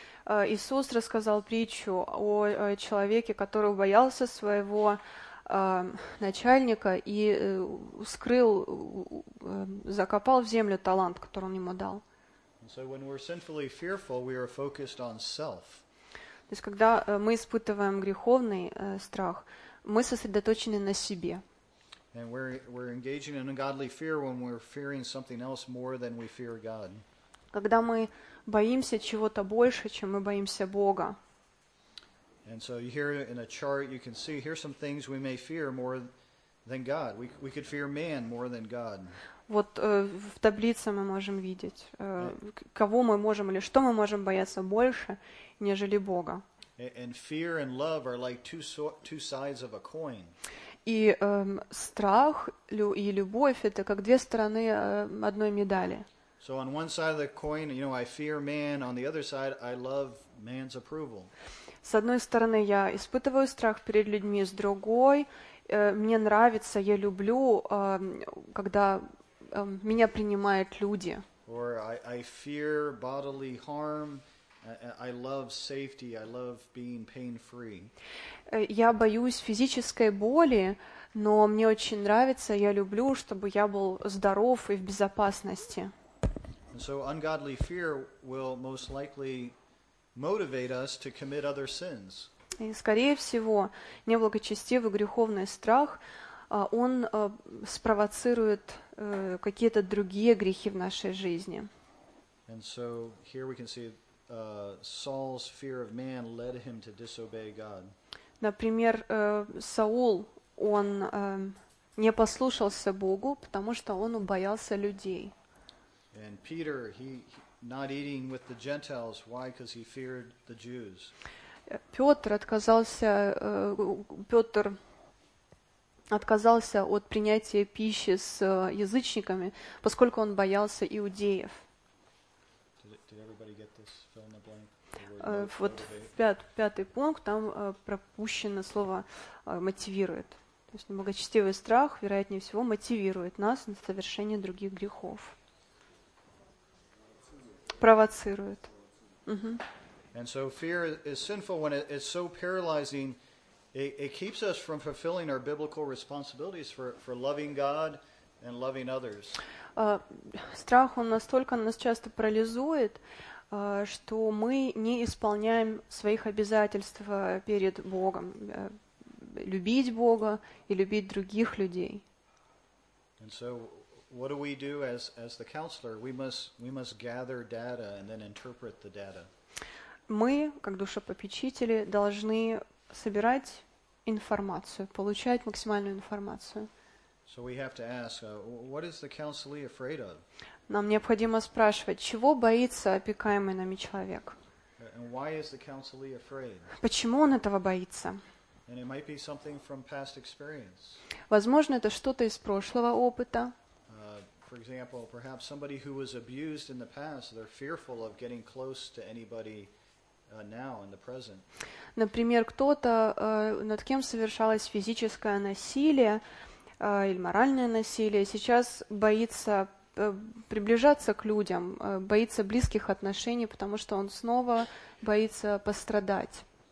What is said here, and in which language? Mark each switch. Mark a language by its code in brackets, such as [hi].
[ru] Иисус рассказал притчу о человеке, который боялся своего начальника и скрыл, закопал в землю талант, который он ему дал. [en] So when we're sinfully fearful, we are focused on self. [ru] То есть, когда мы испытываем греховный страх, мы сосредоточены на себе. [en] And we're engaging in ungodly fear when we're fearing something else more than we fear God. [ru] Когда мы боимся чего-то больше, чем мы боимся Бога. [en] And so here in a chart you can see here's some things we may fear more than God. We could fear man more than God. [ru] Вот в таблице мы можем видеть, кого мы можем или что мы можем бояться больше, нежели Бога. [en] And fear and love are like two sides of a coin. [ru] И страх и любовь это как две стороны одной медали. [en] So on one side of the coin, you know, I fear man, on the other side I love man's approval. [ru] С одной стороны, я испытываю страх перед людьми, с другой, мне нравится, я люблю, когда меня принимают люди. [en] Or I fear bodily harm. I love safety. I love being pain-free. [ru] Я боюсь физической боли, но мне очень нравится, я люблю, чтобы я был здоров и в безопасности. [en] And so ungodly fear will most likely motivate us to commit other sins. [ru] И, скорее всего, неблагочестивый греховный страх, он спровоцирует какие-то другие грехи в нашей жизни. [en] And so here we can see Saul's fear of man led him to disobey God. [ru] Например, Саул, он не послушался Богу, потому что он убоялся людей. [en] And Peter, not eating with the Gentiles. Why? Because he feared the Jews. [ru] Петр отказался от принятия пищи с язычниками, поскольку он боялся иудеев. [en] Did everybody get this fill in the blank? [ru] Вот пятый пункт, там пропущено слово «мотивирует». То есть неблагочестивый страх, вероятнее всего, мотивирует нас на совершение других грехов. Провоцирует. [en] And so fear is sinful when it's so paralyzing. It keeps us from fulfilling our biblical responsibilities for loving God and loving others. [ru] Страх он настолько нас часто парализует, что мы не исполняем своих обязательств перед Богом, любить Бога и любить других людей. [en] And so what do we do as the counselor? We must gather data and then interpret the data. [ru] Мы, как душепопечители, должны собирать информацию, получать максимальную информацию. [en] So we have to ask, what is the counselee afraid of? [ru] Нам необходимо спрашивать, чего боится опекаемый нами человек? [en] And why is the counselee afraid? [ru] Почему он этого боится? [en] And it might be something from past experience. [ru] Возможно, это что-то из прошлого опыта. [en] For example, perhaps somebody who was abused in the past, they're fearful of getting close to anybody now in the present. [ru] Например, кто-то, над кем совершалось физическое насилие или моральное насилие, сейчас боится приближаться к людям, боится близких отношений, потому что он снова боится пострадать.